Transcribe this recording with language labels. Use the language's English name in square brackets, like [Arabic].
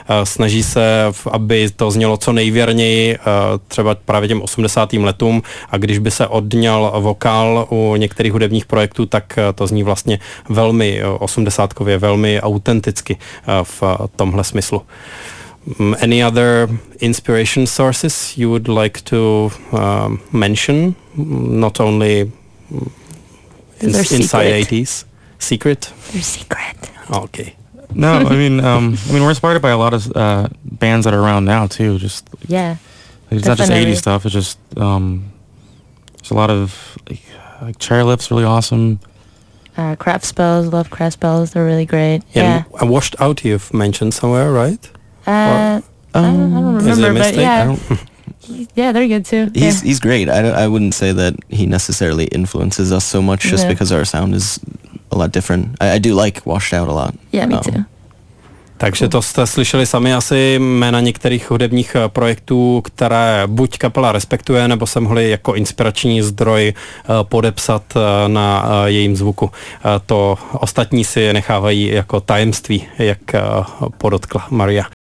[Czech] Snaží se, aby to znělo co nejvěrněji třeba právě těm 80. letům, a když by se odňal vokál u některých hudebních projektů, tak to zní vlastně velmi osmdesátkově, velmi autenticky v tomhle smyslu. [English] Any other inspiration sources you would like to mention? Not only inside 80s? Secret? They're secret. Okay. No, I mean we're inspired by a lot of bands that are around now, too. Just, yeah. It's not just 80s stuff. It's just, there's a lot of, like Chairlifts, really awesome. Craft spells, love craft spells, they're really great. Yeah. Washed Out, you've mentioned somewhere, right? I don't remember, but yeah. Yeah, they're good too. He's great. I wouldn't say that he necessarily influences us so much, just because our sound is a lot different. I do like Washed Out a lot. Yeah, me too. [Czech] Takže to jste slyšeli sami asi jména některých hudebních projektů, které buď kapela respektuje, nebo se mohli jako inspirační zdroj podepsat na jejím zvuku. To ostatní si nechávají jako tajemství, jak podotkla Maria.